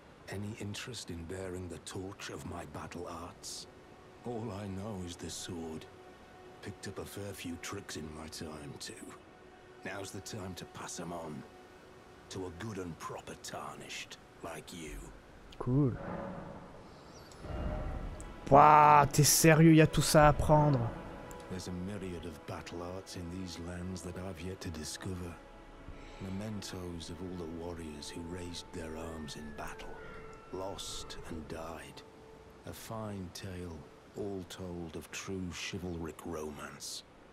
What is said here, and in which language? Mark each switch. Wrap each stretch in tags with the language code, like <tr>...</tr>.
<en>Any interest in bearing the torch of my battle arts? All I know is the sword. Picked up a fair few tricks in my time, too. Now's the time to pass them on. To a good and proper tarnished, like you. Cool.</en> <fr>Bah, t'es sérieux, y'a tout ça à apprendre.</fr> <en>There's a myriad of battle arts in these lands that I've yet to discover. Mementos of all the warriors who raised their arms in battle. Lost and died. A fine tale, all told of true chivalric romance.</en>